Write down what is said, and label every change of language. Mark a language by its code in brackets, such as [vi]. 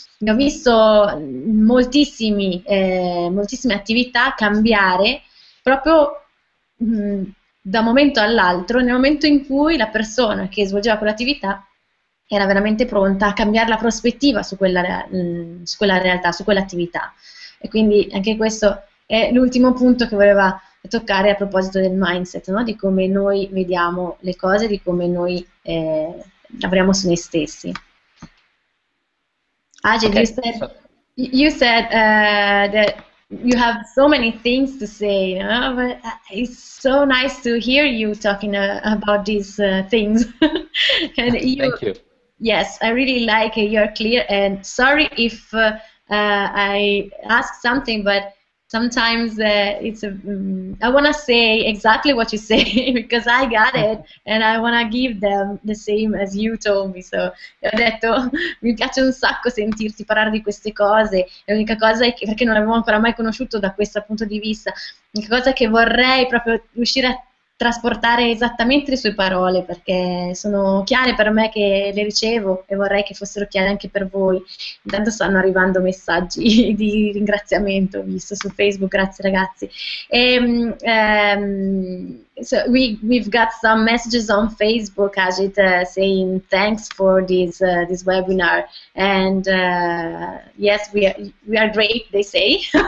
[it] Ho visto moltissime attività cambiare proprio da un momento all'altro, nel momento in cui la persona che svolgeva quell'attività era veramente pronta a cambiare la prospettiva su quella realtà, su quell'attività. E quindi anche questo è l'ultimo punto che voleva toccare a proposito del mindset, no? Di come noi vediamo le cose, di come noi lavoriamo su noi stessi. [en] Ajit, okay. you said that you have so many things to say, no? But it's so nice to hear you talking about these things. And you, thank you. Yes, I really like you're clear, and sorry if I ask something, but sometimes I want to say exactly what you say because I got it and I want to give them the same as you told me. [it] So ho detto mi piace un sacco sentirti parlare di queste cose. L'unica cosa è che, perché non l'avevo ancora mai conosciuto da questo punto di vista, l'unica cosa che vorrei proprio riuscire a trasportare esattamente le sue parole, perché sono chiare per me che le ricevo e vorrei che fossero chiare anche per voi. Intanto stanno arrivando messaggi di ringraziamento, visto su Facebook, grazie ragazzi. [en] So we've got some messages on Facebook, Ajit, saying thanks for this webinar, and yes, we are great, they say.